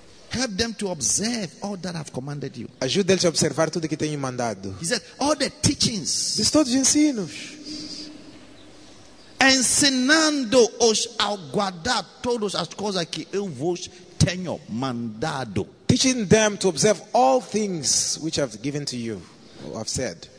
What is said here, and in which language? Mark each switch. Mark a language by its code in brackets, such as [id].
[en] Help them to observe all that I've commanded you. [pt] Ajude eles a observar tudo que tenho mandado. [en] He said, all the teachings. [pt] Diz todos os ensinos. Ensinando-os a guardar todas as coisas que eu vos tenho mandado. [en] Teaching them to observe all things which I've given to you, or I've said.